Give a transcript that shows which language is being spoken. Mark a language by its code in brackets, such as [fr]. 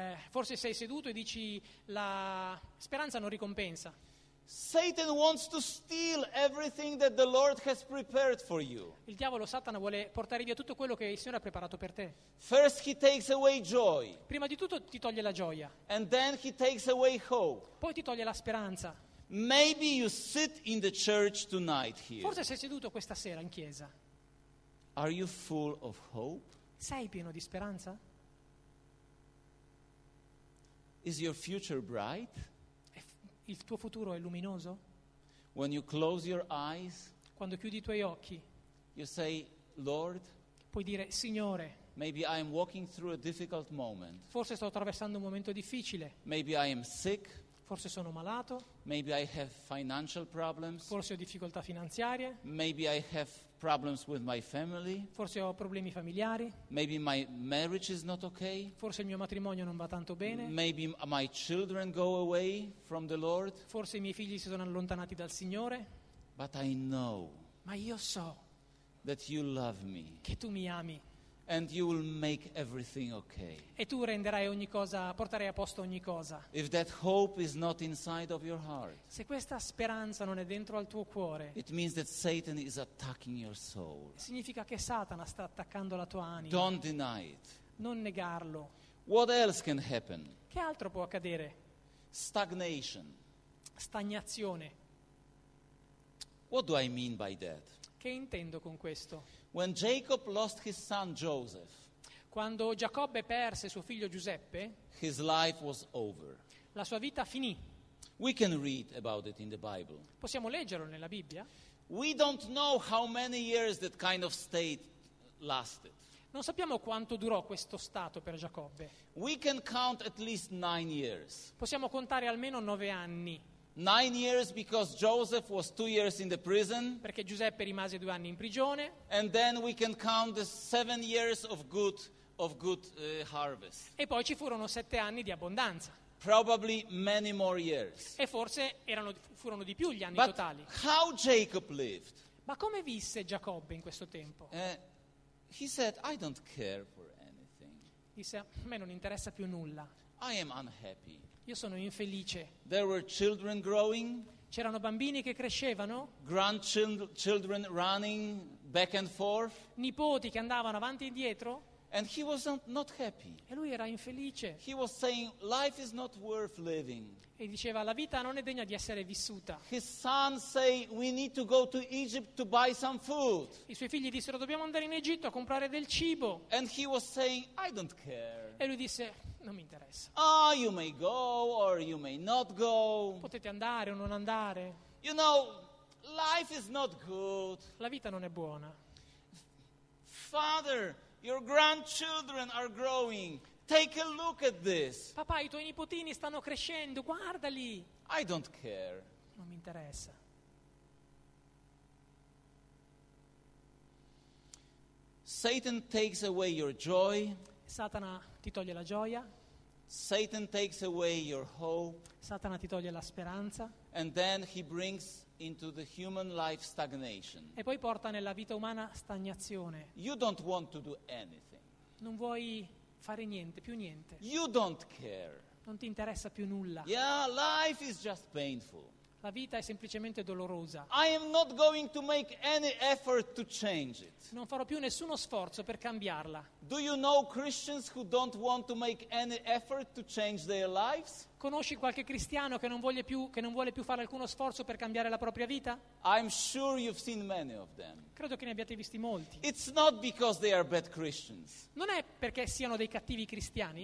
[it] Forse sei seduto e dici la speranza non ricompensa. [en] Satan wants to steal everything that the Lord has prepared for you. [it] Il diavolo Satana vuole portare via tutto quello che il Signore ha preparato per te. [en] First he takes away joy. [it] Prima di tutto ti toglie la gioia. [en] And then he takes away hope. [it] Poi ti toglie la speranza. [en] Maybe you sit in the church tonight here. [it] Forse sei seduto questa sera in chiesa. [en] Are you full of hope? [it] Sei pieno di speranza? [en] Is your future bright? [it] Il tuo futuro è luminoso? [en] When you close your eyes, [it] quando chiudi i tuoi occhi, [en] you say, Lord, [it] puoi dire, Signore, [en] maybe I am walking through a difficult moment. [it] Forse sto attraversando un momento difficile. [en] Maybe I am sick. [it] Forse sono malato. [en] Maybe I have financial problems. [it] Forse ho difficoltà finanziarie. [en] Maybe I have problems with my family. [it] Forse ho problemi familiari. [en] Maybe my marriage is not okay. [it] Forse il mio matrimonio non va tanto bene. [en] Maybe my children go away from the Lord. [it] Forse i miei figli si sono allontanati dal Signore. [en] But I know. [it] Ma io so. [en] That you love me. [it] Che tu mi ami. [en] And you will make everything okay. [it] E tu renderai ogni cosa, porterai a posto ogni cosa. [en] If that hope is not inside of your heart, [it] se questa speranza non è dentro al tuo cuore, [en] it means that Satan is attacking your soul. [it] Significa che Satana sta attaccando la tua anima. [en] Don't deny it. [it] Non negarlo. [en] What else can happen? [it] Che altro può accadere? [en] Stagnation. [it] Stagnazione. [en] What do I mean by that? [it] Che intendo con questo? [en] When Jacob lost his son Joseph, [it] quando Giacobbe perse suo figlio Giuseppe, [en] his life was over. [it] La sua vita finì. [en] We can read about it in the Bible. [it] Possiamo leggerlo nella Bibbia. [en] We don't know how many years that kind of state lasted. [it] Non sappiamo quanto durò questo stato per Giacobbe. [en] We can count at least 9 years. [it] Possiamo contare almeno 9 anni. [en] 9 years because Joseph was 2 years in the prison. [it] Perché Giuseppe rimase 2 anni in prigione. [en] And then we can count the 7 years of good harvest. [it] E poi ci furono 7 anni di abbondanza. [en] Probably many more years. [it] E forse furono di più gli anni [en] But [it] totali. [en] How Jacob lived? [it] Ma come visse Giacobbe in questo tempo? [en] He said, I don't care for anything. [it] Disse, a me non interessa più nulla. [en] I am unhappy. [it] Io sono infelice. [en] There were children growing. [it] C'erano bambini che crescevano. [en] Grandchildren running back and forth. [it] Nipoti che andavano avanti e indietro. [en] And he was not happy. [it] E lui era infelice. [en] He was saying, life is not worth living. [it] E diceva, la vita non è degna di essere vissuta. [en] His son say, we need to go to Egypt to buy some food. [it] I suoi figli dissero, dobbiamo andare in Egitto a comprare del cibo. [en] And he was saying, I don't care. [it] E lui disse, non mi interessa. [en] Ah, you may go or you may not go. [it] Potete andare o non andare. [en] You know, life is not good. [it] La vita non è buona. [en] Father, your grandchildren are growing. Take a look at this. [it] Papà, i tuoi nipotini stanno crescendo, guardali. [en] I don't care. [it] Non mi interessa. [en] Satan takes away your joy. [it] Satana ti toglie la gioia. [en] Satan takes away your hope. [it] Satana ti toglie la speranza. [en] And then he brings into the human life stagnation. [it] E poi porta nella vita umana stagnazione. [en] You don't want to do anything. [it] Non vuoi fare niente, più niente. [en] You don't care. [it] Non ti interessa più nulla. [en] Yeah, life is just painful. [it] La vita è semplicemente dolorosa. [en] I am not going to make any effort to change it. [it] Non farò più nessuno sforzo per cambiarla. [en] Do you know Christians who don't want to make any effort to change their lives? [it] Conosci qualche cristiano che non vuole più fare alcuno sforzo per cambiare la propria vita? [en] I'm sure you've seen many of them. [it] Credo che ne abbiate visti molti. [en] It's not because they are bad Christians. [it] Non è perché siano dei cattivi cristiani.